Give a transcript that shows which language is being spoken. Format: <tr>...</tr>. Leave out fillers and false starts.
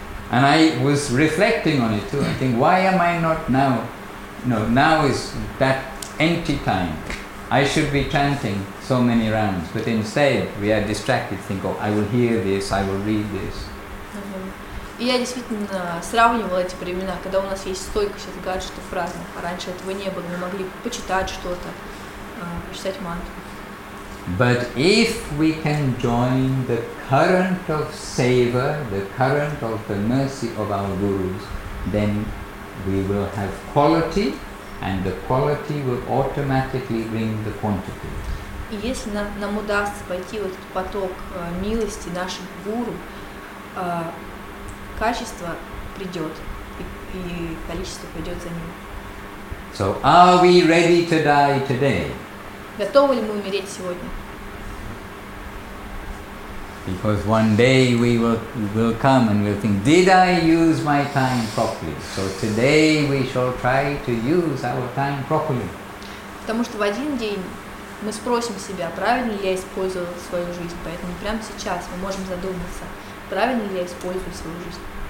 <en>And I was reflecting on it too. I think, why am I not now? No, now is that empty time. I should be chanting so many rounds, but instead we are distracted, think, oh, I will hear this, I will read this.</en> <ru>И я действительно сравнивала эти времена, когда у нас есть столько всех гаджетов разных, а раньше этого не было, мы могли почитать что-то, почитать мантру.</ru> <en>But if we can join the current of seva, the current of the mercy of our gurus, then we will have quality, and the quality will automatically bring the quantity.</en> <ru>И если нам удастся пойти в этот поток милости наших гуру, качество придет, и количество пойдет за ним.</ru> <en>So are we ready to die today?</en> <ru>Готовы ли мы умереть сегодня?</ru> <en>Because one day we will come and we'll think, did I use my time properly? So today we shall try to use our time properly.</en> <ru>Потому что в один день мы спросим себя, правильно ли я использовал свою жизнь, поэтому прямо сейчас мы можем задуматься, правильно ли я использую свою жизнь.</ru>